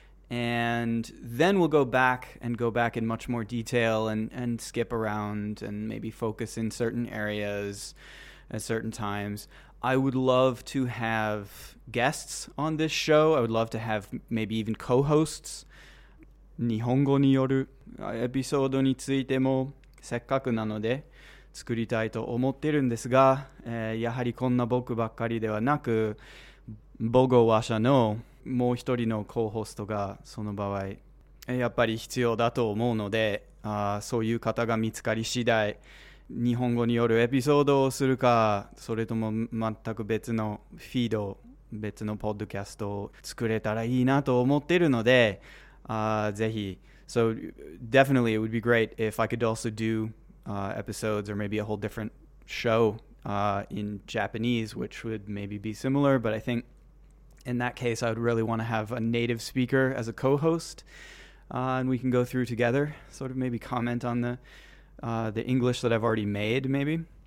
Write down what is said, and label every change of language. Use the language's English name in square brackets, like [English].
[English] And then we'll go back in much more detail and skip around and maybe focus in certain areas at certain times. I would love to have guests on this show. I would love to have maybe even co-hosts. [Japanese] Nihongo niyoru episode についてもせっかくなので作りたいと思ってるんですが、やはりこんな僕ばっかりではなく、母語話者のもう一人のコーホストがその場合やっぱり必要だと思うので、そういう方が見つかり次第日本語によるエピソードをするか、それとも全く別のフィード、別のポッドキャストを作れたらいいなと思ってるので、ぜひ。 [English] So definitely it would be great if I could also do episodes or maybe a whole different show in Japanese, which would maybe be similar, but I think in that case, I would really want to have a native speaker as a co-host, and we can go through together, sort of maybe comment on the English that I've already made, maybe.